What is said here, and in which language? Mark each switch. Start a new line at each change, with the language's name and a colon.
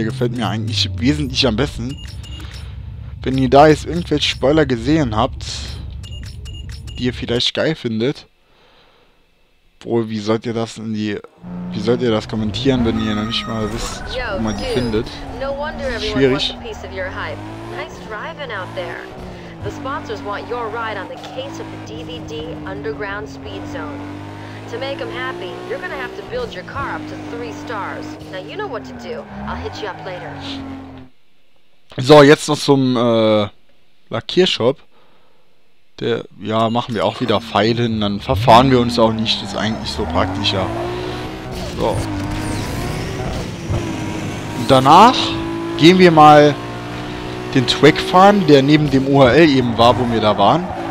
German: Der gefällt mir eigentlich wesentlich am besten. Wenn ihr da jetzt irgendwelche Spoiler gesehen habt, die ihr vielleicht geil findet. Boah, wie sollt ihr das in die... Wie sollt ihr das kommentieren, wenn ihr noch nicht mal wisst, wo man die findet? Schwierig.
English: Nice driving out there. The sponsors want your ride on the case of the DVD Underground Speed Zone. To make them happy, you're gonna have to build your car up to 3 stars. Now you know what to do. I'll hit you up later.
German: So, jetzt noch zum Lackiershop. Der, ja, machen wir auch wieder Pfeil hin, dann verfahren wir uns auch nicht. Das ist eigentlich so praktischer. So. Und danach gehen wir mal den Track fahren, der neben dem URL eben war, wo wir da waren.